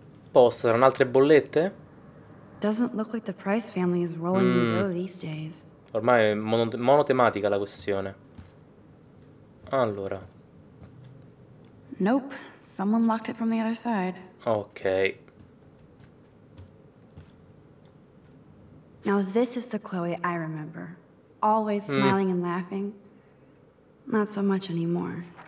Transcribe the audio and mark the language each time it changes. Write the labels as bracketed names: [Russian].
[Italian] Posta, saranno altre bollette? [English] Doesn't look like the Price family is rolling in dough these days. [Italian] Ormai è monotematica la questione. Allora. [English] Nope. Someone locked it from the other side. Ok. Now this is the Chloe I remember. Always smiling and laughing. Not so much anymore.